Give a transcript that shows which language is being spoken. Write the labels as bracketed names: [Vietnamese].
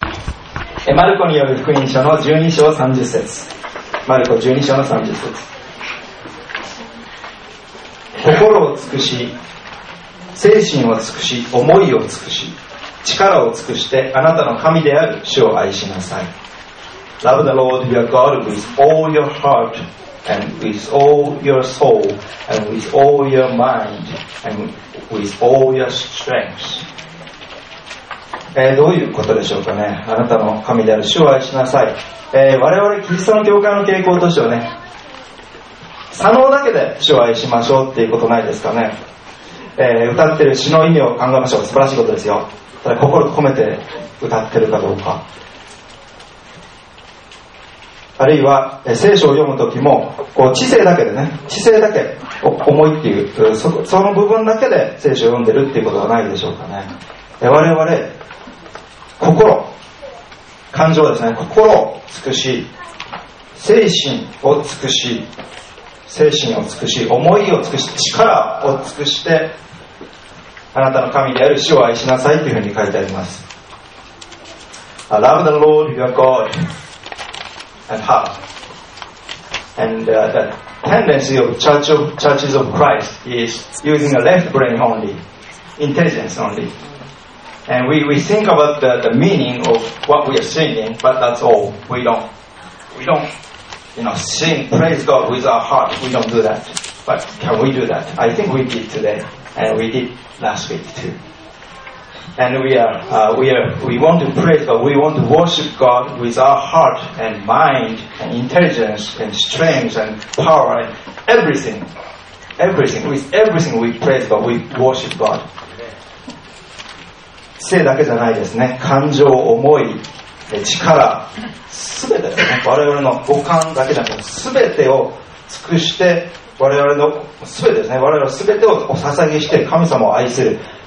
[Japanese] マルコによる福音書の12章30節。マルコ12章の30節。心を尽くし、精神を尽くし、思いを尽くし、力を尽くしてあなたの神である主を愛しなさい。 [English] Love the Lord your God with all your heart and with all your soul and with all your mind and with all your strength。 [Japanese] どういうことでしょうかね。あなたの神である主を愛しなさい。我々キリストの教会の傾向としてはね、左脳だけで主を愛しましょうっていうことないですかね。歌ってる詩の意味を考えましょう。素晴らしいことですよ。ただ心込めて歌ってるかどうか、あるいは、聖書を読むときもこう知性だけでね、知性だけ思いっていう その部分だけで聖書を読んでるっていうことはないでしょうかね。我々心、感情ですね。心を尽くし、精神を尽くし、精神を尽くし、思いを尽くし、力を尽くして、あなたの神である主を愛しなさいというふうに書いてあります。 [English] I love the Lord your God and heart. And the tendency of churches of Christ is using the left brain only, intelligence only. And we think about the meaning of what we are singing, but that's all. We don't, you know, sing praise God with our heart. We don't do that. But can we do that? I think we did today, and we did last week too. And we want to praise God. We want to worship God with our heart and mind and intelligence and strength and power and everything. Everything. With everything we praise God, we worship God. [Japanese] 知性だけじゃないですね。感情、思い、力、すべてですね。我々の五感だけじゃなくて、すべてを尽くして、我々のすべてですね。我々のすべてをお捧げして、神様を愛する。